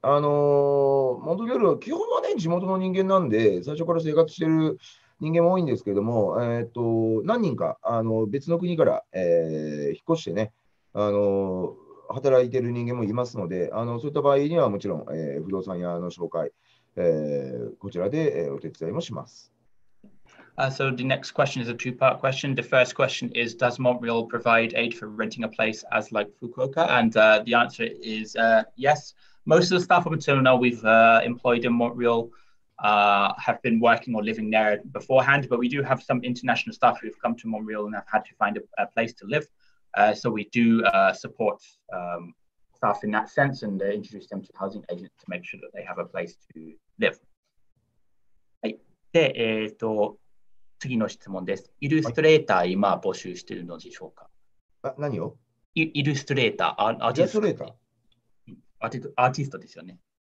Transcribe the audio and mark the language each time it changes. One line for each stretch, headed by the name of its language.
Japanese: モントリオールは基本はね、地元の人間なんで、最初から生活してる人間も多いんですけども、何人か、別の国から、引っ越してね、働いてる人間もいますので、そういった場合にはもちろん、不動産屋の紹介、こちらで、お手伝いもします。
English: So the next question is a two-part question. The first question is, does Montreal provide aid for renting a place as like Fukuoka? And the answer is yes. Most of the staff up until now we've employed in Montreal have been working or living there beforehand, but we do have some international staff who've come to Montreal and have had to find a place to live. So we do support staff in that sense and introduce them to housing agents to make sure that they have a place to live.
Japanese: で、次の質問です。イルストレーター今募集しているのでしょうか？あ、何を？イルストレーター、アーイストレーか。タアーティストですよね。